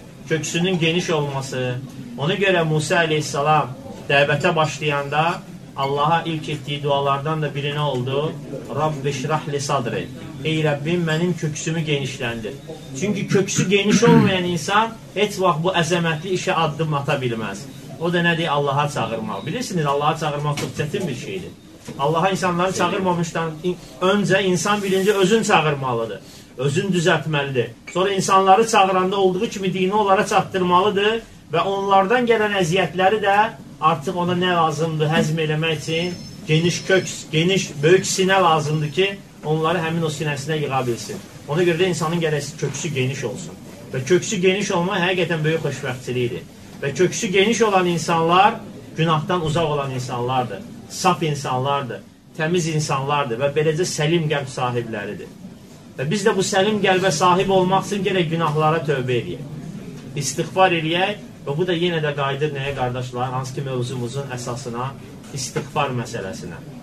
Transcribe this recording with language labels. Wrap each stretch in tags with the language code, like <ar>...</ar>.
<az>köksünün geniş olması. Ona görə Musa aleyhisselam dəvətə başlayanda Allah'a ilk etdiyi dualardan da birini oldu.</az> <ar>Rabbi şirah li sadri.</ar> <az>Ey Rabbim, mənim köksümü genişləndir. Çünki köksü geniş olmayan insan heç vaxt bu əzəmətli işə addım ata bilməz. O da nədir? Allaha çağırmaq. Bilirsiniz, Allaha çağırmaq çox çətin bir şeydir. Allaha insanları çağırmamışdan öncə insan birinci özün çağırmalıdır. Özün düzəltməlidir. Sonra insanları çağıranda olduğu kimi dini onlara çatdırmalıdır və onlardan gələn əziyyətləri də artıq ona nə lazımdır həzm eləmək üçün? Geniş köks, geniş, böyük sinə lazımdır ki, onları həmin o sinəsinə yığa bilsin. Ona görə də insanın gərəsi köksü geniş olsun. Və köksü geniş olmaq həqiqətən böyük xoşbəxtçilikdir. Və köksü geniş olan insanlar günahdan uzaq olan insanlardır. Saf insanlardır, təmiz insanlardır və beləcə səlim qəlb sahibləridir. Və biz də bu səlim qəlbə sahib olmaq üçün gərək günahlara tövbə edək. İstiğfar edək və bu da yenə də qayıdır nəyə qardaşlar, hansı ki mövzumuzun əsasına, istiğfar məsələsinə.</az>